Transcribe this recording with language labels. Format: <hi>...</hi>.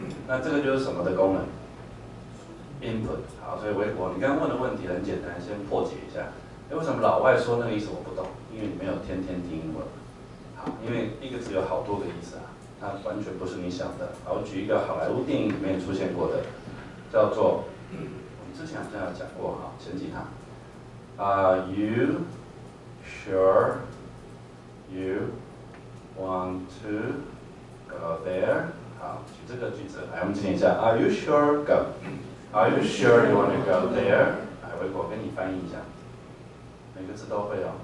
<zh>那这个就是什么的功能？Input， 好，所以微博，你刚刚问的问题很简单，先破解一下。为什么老外说那个意思我不懂？因为你没有天天听英文。好，因为一个字有好多个意思啊，它完全不是你想的。好，我举一个好莱坞电影里面出现过的，叫做，我们之前好像有讲过哈，前几堂。</zh> <en>Are you sure you want to go there？</en> <zh>好，举这个句子来，我们听一下。</zh> <en>Are you sure go？ Are you sure you want to go there?</en> <zh>来，维果跟你翻译一下，每个字都会哦。</zh>